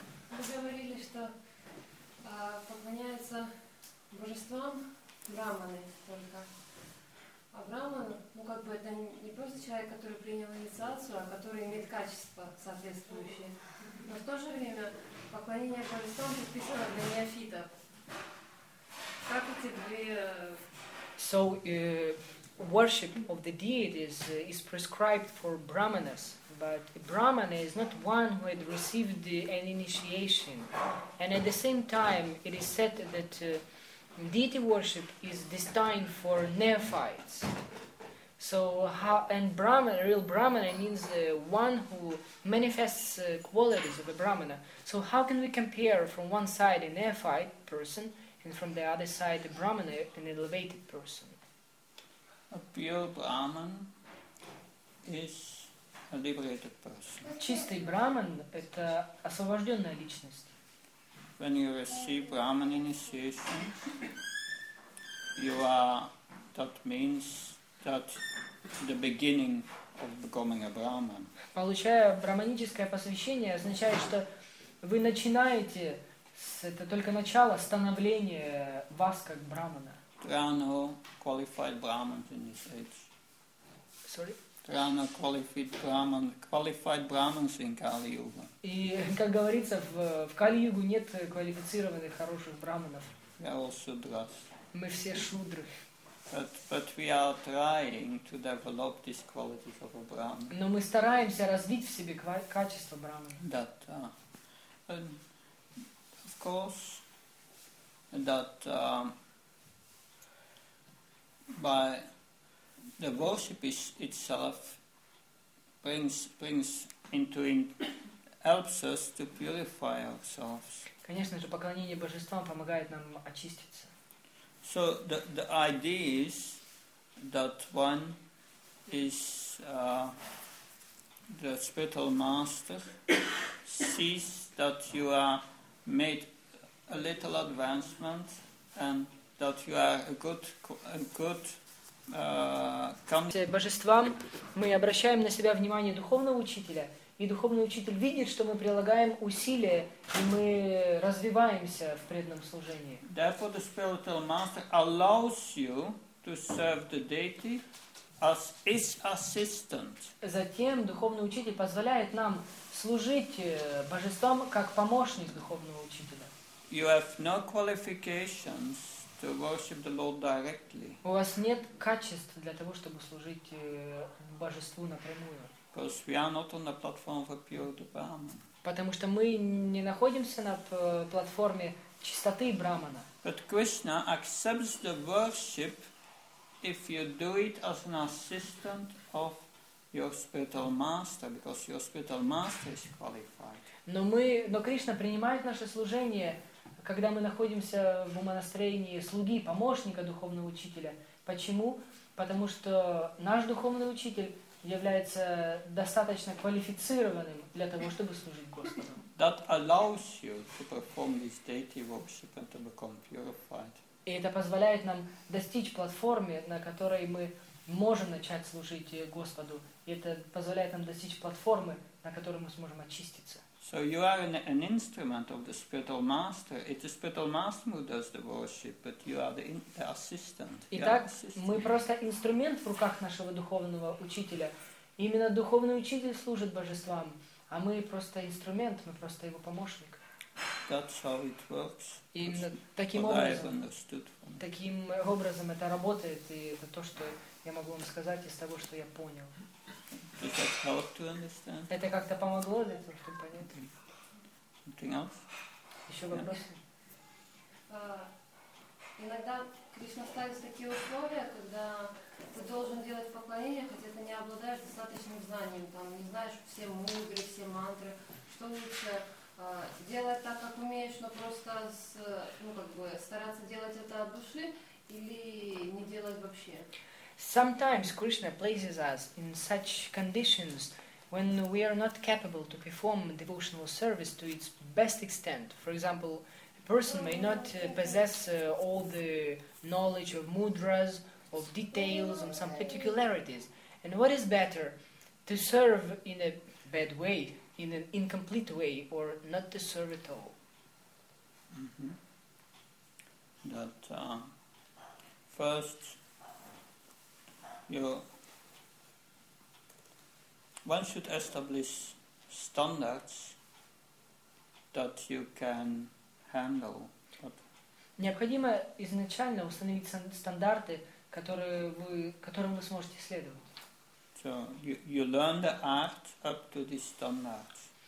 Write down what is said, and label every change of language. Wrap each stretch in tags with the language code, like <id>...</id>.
<ru>Вы говорили, что поклоняются божествам браманы только. А браман, ну как бы это не просто человек, который принял инициацию, а который имеет качества соответствующие. Но в то же время поклонение божествам предписано для неофитов. Как эти две...</ru> <en>So, worship of the deities is prescribed for brahmanas, but a brahmana is not one who had received an initiation. And at the same time, it is said that deity worship is destined for neophytes. So, how, and brahmana, real brahmana means one who manifests qualities of a brahmana. So how can we compare from one side a neophyte person and from the other side a brahmana, an elevated person? A pure Brahman is a liberated person.</en> <ru>Чистый Брахман – это освобожденная личность.</ru> <en>When you receive Brahman initiation, you are, that means that the beginning of becoming a Brahman.</en> <ru>Получая брахманическое посвящение, означает, что вы начинаете, с, это только начало становления вас как Брахмана.</ru> <en>There are no qualified Brahmins in this age. Sorry? There are no qualified Brahmins in Kali Yuga.</en> <ru>И, как говорится, в Кали-Югу нет квалифицированных хороших брахманов.</ru> <en>We are all shudras.</en> <ru>Мы все шудры.</ru> <en>But we are trying to develop these qualities of a Brahmin.</en> <ru>Но мы стараемся развить в себе качество брахмана.</ru> <en>That, of course, that... By the worship is itself brings into in helps us to purify ourselves.</en> <ru>Конечно же, поклонение божествам помогает нам очиститься.</ru> <en>So the idea is that one is the spiritual master sees that you are made a little advancement and that you are a good</en> <ru>божествам мы обращаем на себя внимание духовного учителя, и духовный учитель видит, что мы прилагаем усилия, и мы развиваемся в преданном служении.</ru> <en>Therefore, the spiritual master allows you to serve the deity as his assistant.</en> <ru>Затем духовный учитель позволяет нам служить божествам как помощник духовного учителя.</ru> <en>You have no qualifications to worship the Lord directly.</en> <ru>У вас нет качеств для того, чтобы служить божеству напрямую.</ru> <en>Because we are not on the platform of a pure Brahman.</en> <ru>Потому что мы не находимся на платформе чистоты брахмана.</ru> <en>But Krishna accepts the worship if you do it as an assistant of your spiritual master, because your spiritual master is qualified.</en> <ru>Но Кришна принимает наше служение, когда мы находимся в умонастроении слуги, помощника духовного учителя. Почему? Потому что наш духовный учитель является достаточно квалифицированным для того, чтобы служить Господу.</ru> <en>That allows you to perform this deity worship and to become purified.</en> <ru>И это позволяет нам достичь платформы, на которой мы можем начать служить Господу. И это позволяет нам достичь платформы, на которой мы сможем очиститься.</ru> <en>So you are an instrument of the spiritual master. It's the spiritual master who does the worship, but you are the assistant.</en> <ru>Итак, мы просто инструмент в руках нашего духовного учителя. Именно духовный учитель служит божествам, а мы просто инструмент, мы просто его помощник.</ru> <en>That's how it works.</en> <ru>Именно таким образом. Таким образом это работает, и это то, что я могу вам сказать из того, что я понял.</ru> <en>Does that help to understand?</en> <ru>Это как-то помогло для того, чтобы понять?</ru> <en>Something else?</en> <ru>Еще вопросы? Иногда Кришна ставит такие условия, когда ты должен делать поклонение, хотя ты не обладаешь достаточным знанием, там, не знаешь все мудры, все мантры. Что лучше, делать так, как умеешь, но просто с, ну, как бы стараться делать это от души или не делать вообще?</ru> <en>Sometimes Krishna places us in such conditions when we are not capable to perform devotional service to its best extent. For example, a person may not possess all the knowledge of mudras, of details, and some particularities. And what is better, to serve in a bad way, in an incomplete way, or not to serve at all? Mm-hmm. That first, one should establish standards that you can handle.</en> <ru>Необходимо изначально установить стандарты, которым вы сможете следовать.</ru> <en>So you learn the art up to these standards.</en>